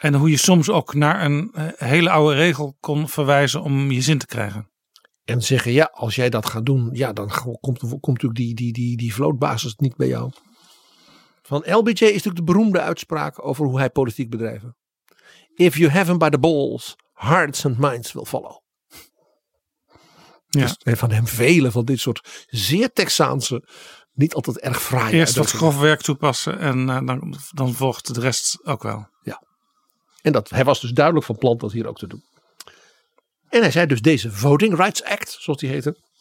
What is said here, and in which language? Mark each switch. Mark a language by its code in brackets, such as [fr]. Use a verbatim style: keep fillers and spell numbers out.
[nl] En hoe je soms ook naar een hele oude regel kon verwijzen om je zin te krijgen. En zeggen ja, als jij dat gaat doen, ja, dan komt, komt natuurlijk die, die, die, die vlootbasis niet bij jou. Van L B J is natuurlijk de beroemde uitspraak over hoe hij politiek bedrijven. [en] If you have him by the balls, hearts and minds will follow. [nl] Ja. Dus, en van hem velen van dit soort zeer Texaanse, niet altijd erg fraaie. Eerst wat grof werk toepassen en uh, dan, dan volgt de rest ook wel. Ja. En dat, hij was dus duidelijk van plan dat hier ook te doen. En hij zei dus deze Voting Rights Act, zoals die heette.